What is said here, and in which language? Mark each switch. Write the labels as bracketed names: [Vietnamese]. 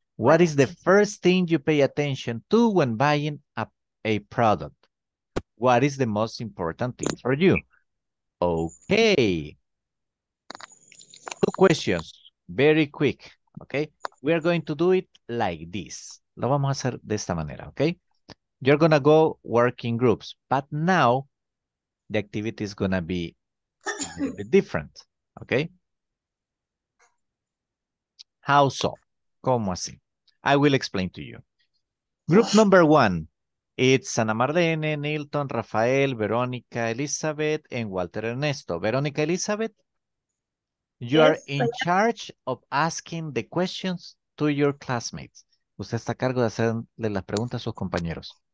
[English] What is the first thing you pay attention to when buying a product? What is the most important thing for you? Okay, two questions, very quick, okay? We are going to do it like this. [Spanish] Lo vamos a hacer de esta manera, okay? [English] You're going to go work in groups, but now the activity is going to be a little bit different, okay? How so? [Spanish] ¿Cómo así? [English] I will explain to you. Group number one. It's Ana Marlene, Nilton, Rafael, Verónica, Elizabeth, and Walter Ernesto. Verónica, Elizabeth, you yes, are in I... charge of asking the questions to your classmates. [Spanish] Usted está a cargo de hacerle las preguntas a sus compañeros.